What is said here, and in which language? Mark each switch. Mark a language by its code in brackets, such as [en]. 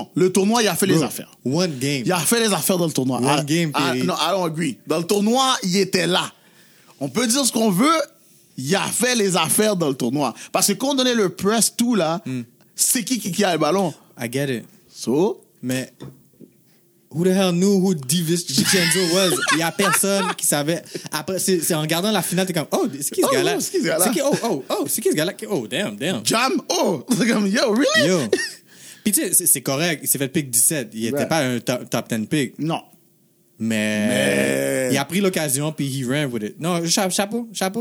[fr] Le tournoi, il a fait les affaires. [en] One game. [fr] Il a fait les affaires dans le tournoi. [en] I don't agree. [fr] Dans le tournoi, il était là. On peut dire ce qu'on veut, il a fait les affaires dans le tournoi. Parce que quand on donnait le press tout là, c'est qui a le ballon? [en] I get it. So? [fr] Mais [en] who the hell knew who Divis DiCenzo was? [fr] Il y a personne qui savait. Après, c'est en regardant la finale, t'es comme, oh, c'est qui ce gars-là? C'est qui ce gars-là? Oh, damn, damn. Jam, oh, c'est comme, yo, really? Yo. Puis tu sais, c'est correct, il s'est fait pick 17. Il n'était pas un top 10 pick. Non. Mais il a pris l'occasion, puis [en] he ran with it. [fr] Non, chapeau.